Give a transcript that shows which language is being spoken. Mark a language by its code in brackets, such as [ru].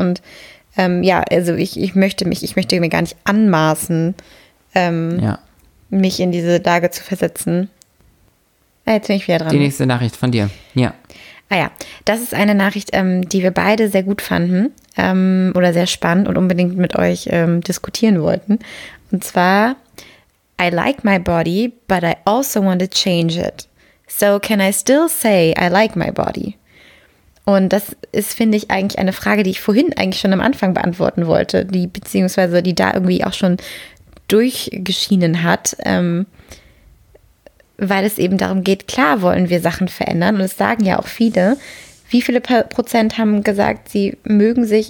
[de] Und also ich möchte mir gar nicht anmaßen, mich in diese Lage zu versetzen. Jetzt bin ich wieder dran. Die nächste Nachricht von dir. Ja. Ah ja, das ist eine Nachricht, die wir beide sehr gut fanden oder sehr spannend und unbedingt mit euch diskutieren wollten. Und zwar, [en] I like my body, but I also want to change it. So can I still say I like my body? [de] Und das ist, finde ich, eigentlich eine Frage, die ich vorhin eigentlich schon am Anfang beantworten wollte, die da irgendwie auch schon durchgeschienen hat. Weil es eben darum geht, klar wollen wir Sachen verändern. Und es sagen ja auch viele. Wie viele Prozent haben gesagt, sie mögen sich?